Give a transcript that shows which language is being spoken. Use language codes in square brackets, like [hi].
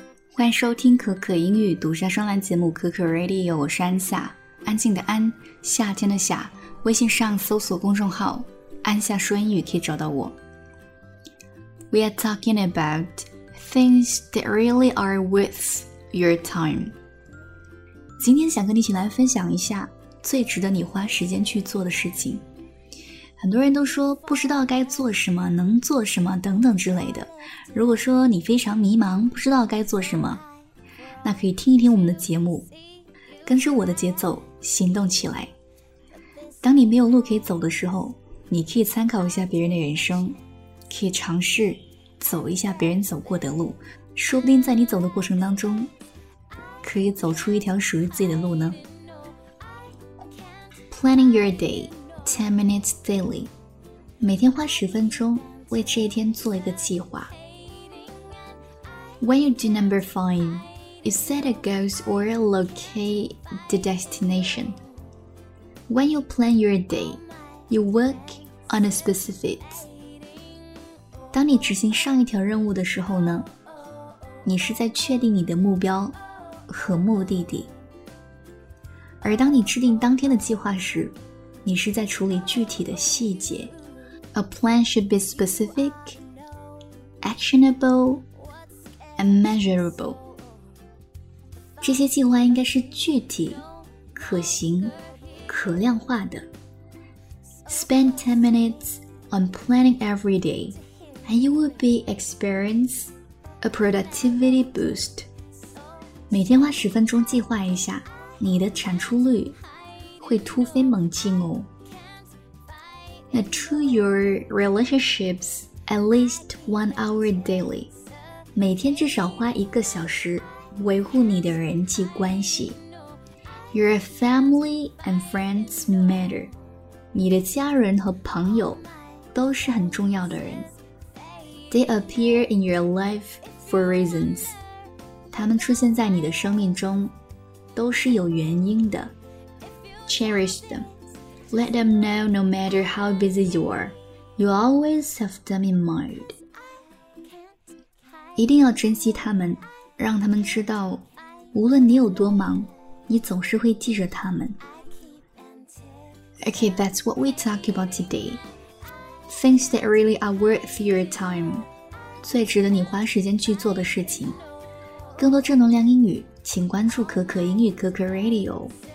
[zh] 欢迎收听可可英语独家专栏节目可可 Radio， 我是安夏，安静的安，夏天的夏。微信上搜索公众号安夏说英语可以找到我。 [en] We are talking about things that really are worth your time。 [zh] 今天想跟你一起来分享一下最值得你花时间去做的事情。很多人都说不知道该做什么，能做什么等等之类的。如果说你非常迷茫，不知道该做什么，那可以听一听我们的节目，跟着我的节奏行动起来。当你没有路可以走的时候，你可以参考一下别人的人生，可以尝试走一下别人走过的路，说不定在你走的过程当中，可以走出一条属于自己的路呢。 [en] Planning your day 10 minutes daily， [zh] 每天花十分钟为这一天做一个计划。 [en] When you do number 5, you set a goal or locate the destination. When you plan your day, you work on a specific. [zh] 当你执行上一条任务的时候呢，你是在确定你的目标和目的地。而当你制定当天的计划时，你是在处理具体的细节。 [en] A plan should be specific, actionable,And measurable. [zh] 这些计划应该是具体、可行、可量化的。 [en] Spend 10 minutes on planning every day, and you will be experience a productivity boost. [zh] 每天花十分钟计划一下，你的产出率会突飞猛进哦。 [en] Now, to your relationships, at least 1 hour daily. [zh] 每天至少花一个小时维护你的人际关系。 [en] Your family and friends matter. [zh] 你的家人和朋友都是很重要的人。 [en] They appear in your life for reasons. [zh] 他们出现在你的生命中都是有原因的。 [en] Cherish them. Let them know no matter how busy you are, you always have them in mind. [zh] 一定要珍惜他们，让他们知道，无论你有多忙，你总是会记着他们。 [en] Okay, that's what we talk about today. Things that really are worth your time. [zh] 最值得你花时间去做的事情。更多正能量英语，请关注可可英语可可 Radio。